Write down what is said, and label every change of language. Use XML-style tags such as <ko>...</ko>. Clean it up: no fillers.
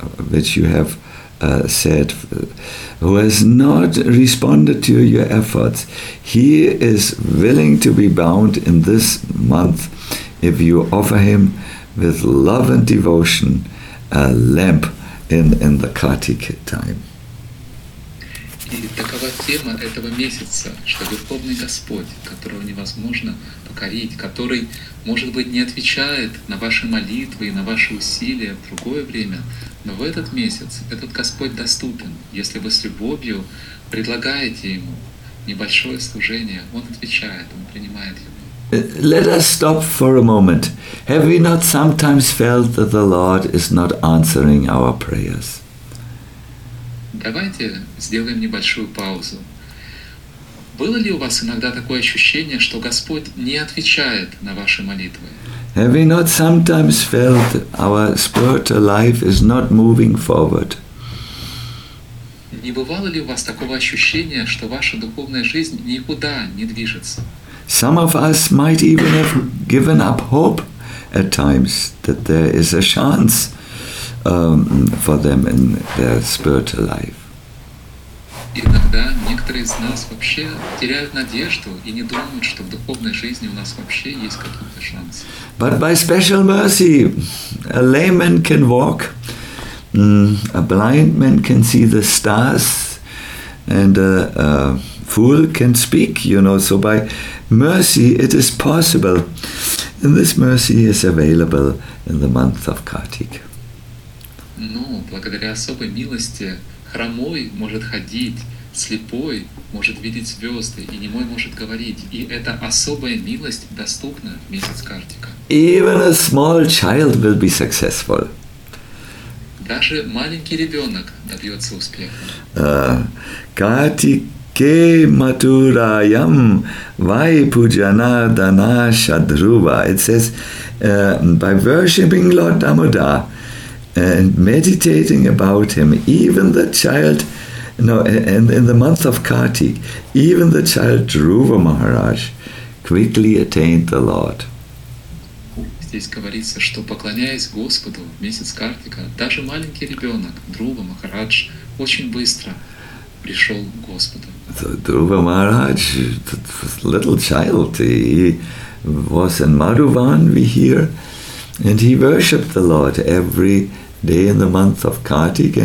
<en>which you have said, who has not responded to your efforts, he is willing to be bound in this month if you offer him with love and devotion a lamp in the Kartik time.</en> <ru>И такова тема этого месяца, что Верховный Господь, которого невозможно покорить, который, может быть, не отвечает на ваши молитвы и на ваши усилия в другое время, но в этот месяц этот Господь доступен. Если вы с любовью предлагаете Ему небольшое служение, Он отвечает, Он принимает его.</ru> <en>Let us stop for a moment. Have we not sometimes felt that the Lord is not answering our prayers?</en> <ru>Давайте сделаем небольшую паузу. Было ли у вас иногда такое ощущение, что Господь не отвечает на ваши молитвы?</ru> <en>Have we not sometimes felt our spiritual life is not moving forward?</en> <ru>Не бывало ли у вас такого ощущения, что ваша духовная жизнь никуда не движется?</ru> <en>Some of us might even have given up hope at times that there is a chance for them in their spiritual life.</en> <ru>Иногда некоторые из нас вообще теряют надежду и не думают, что в духовной жизни у нас вообще есть какой-то шанс.</ru> <en>But by special mercy, a layman can walk, a blind man can see the stars, and a fool can speak, you know. So by mercy it is possible. And this mercy is available in the month of Kartik.</en> <ru>Но благодаря особой милости хромой может ходить, слепой может видеть звезды, и немой может говорить. И эта особая милость доступна в месяц Картика.</ru> <en>Even a small child will be successful.</en> <ru>Даже маленький ребенок добьется успеха.</ru> <sa>Картике матураям вайпуджанардана шадрува.</sa> <en>It says, by worshipping Lord Damodar and meditating about him, even the child, no, and in the month of Kartik, even the child Dhruva Maharaj quickly attained the Lord.</en> <ru>Здесь говорится, что поклоняясь Господу в месяц Картика, даже маленький ребенок Друва Махарадж очень быстро пришел к Господу.</ru> <en>So Dhruva Maharaj, little child, he was in Madhuvan, we hear, and he worshipped the Lord every day in the month of Kartik.</en>